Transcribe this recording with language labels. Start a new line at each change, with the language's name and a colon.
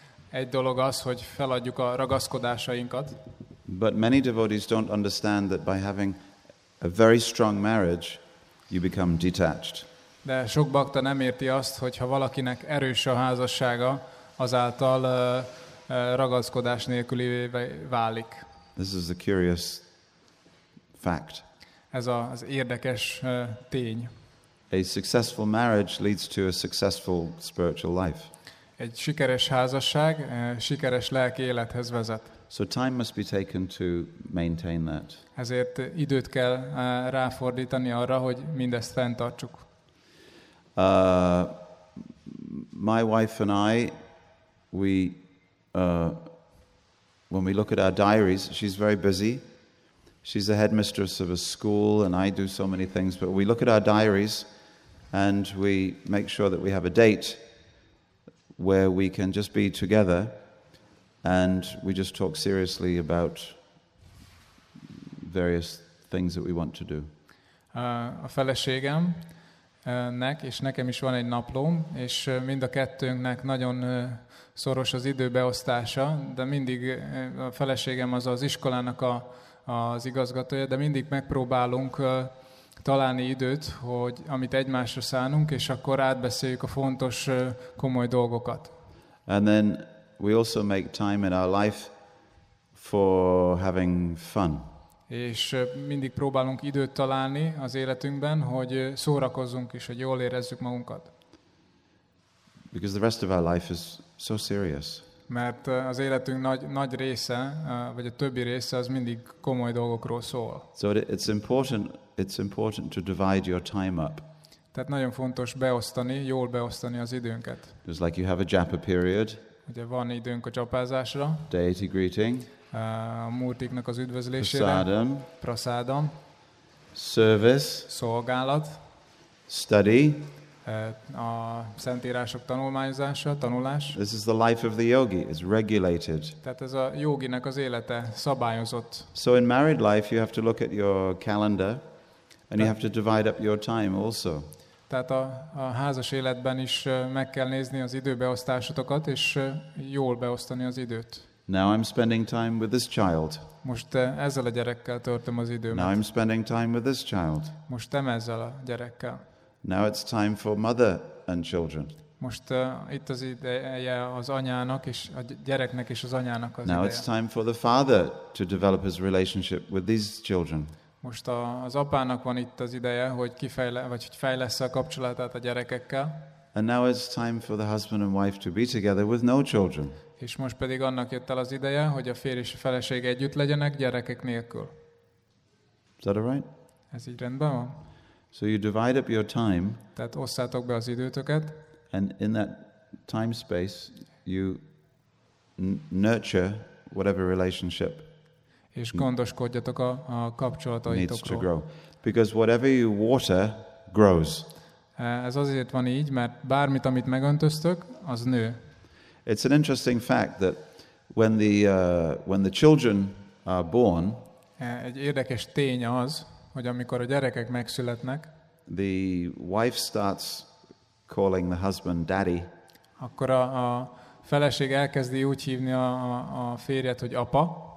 Hungarian: Egy dolog az, hogy feladjuk a ragaszkodásainkat.
English: But many devotees don't understand that by having a very strong marriage, you become detached.
Hungarian: De sok bakta nem érti azt, hogy ha valakinek erős a házassága, azáltal ragaszkodás nélkülivé válik.
English: This is a curious fact.
Hungarian: ez az érdekes tény.
English: A successful marriage leads to a successful spiritual life.
Hungarian: Egy sikeres házasság sikeres lelki élethez vezet.
English: So time must be taken to maintain that.
Hungarian: Ezért időt kell ráfordítani arra, hogy mindezt fenntartsuk.
English: My wife and I, when we look at our diaries, she's very busy. She's the headmistress of a school, and I do so many things. But we look at our diaries, and we make sure that we have a date where we can just be together, and we just talk seriously about various things that we want to do.
Hungarian: A feleségem. Nek, és nekem is van egy naplóm, és mind a kettőnknek nagyon szoros az időbeosztása, de mindig a feleségem az iskolának az igazgatója, de mindig megpróbálunk találni időt, hogy amit egymásra szánunk, és akkor átbeszéljük a fontos komoly dolgokat.
English: And then we also make time in our life for having fun.
Hungarian: És mindig próbálunk időt találni az életünkben, hogy szórakozzunk is, hogy jól érezzük magunkat.
English: Because the rest of our life is so serious.
Hungarian: Mert az életünk nagy része, vagy a többi része az mindig komoly dolgokról szól.
English: So it's important to divide your time up.
Hungarian: Tehát nagyon fontos beosztani, jól beosztani az időnket.
English: It's like you have a japa period.
Hungarian: Ugye van időnk a japázásra.
English: Deity greeting.
Hungarian: A Murtiknak az üdvözlésére.
English: Prasadam.
Hungarian: Prasadam.
English: Service.
Hungarian: Szolgálat.
English: Study.
Hungarian: A szentírások tanulmányozása, tanulás.
English: This is the life of the yogi. It's regulated.
Hungarian: Tehát ez a yoginek az élete, szabályozott.
English: So in married life you have to look at your calendar and you have to divide up your time also.
Hungarian: Tehát a házas életben is meg kell nézni az időbeosztásotokat és jól beosztani az időt.
English: Now I'm spending time with this child.
Hungarian: Most ezzel a gyerekkel töltöm az időmet.
English: Now I'm spending time with this child.
Hungarian: Most ezzel a gyerekkel.
English: Now it's time for mother and children.
Hungarian: Most itt az ideje az anyának és a gyereknek és az anyának az ideje.
English: Now it's time for the father to develop his relationship with these children.
Hungarian: Most az apának van itt az ideje, hogy fejlessze a kapcsolatát a gyerekekkel.
English: And now it's time for the husband and wife to be together with no children.
Hungarian: És most pedig annak jött el az ideje, hogy a férj és a feleség együtt legyenek gyerekek nélkül.
English: Is that all right?
Hungarian: Ez így rendben van?
English: So you divide up your time.
Hungarian: Tehát osszátok be az időtöket.
English: And in that time space you nurture whatever relationship.
Hungarian: És gondoskodjatok a kapcsolataitokról.
English: Needs to grow. Because whatever you water grows.
Hungarian: Ez azért van így, mert bármit, amit megöntöztök, az nő.
English: It's an interesting fact that when the children are born,
Hungarian: egy érdekes tény az, hogy amikor a gyerekek megszületnek,
English: the wife starts calling the husband daddy.
Hungarian: Akkor a feleség elkezdi úgy hívni a férjet, hogy apa.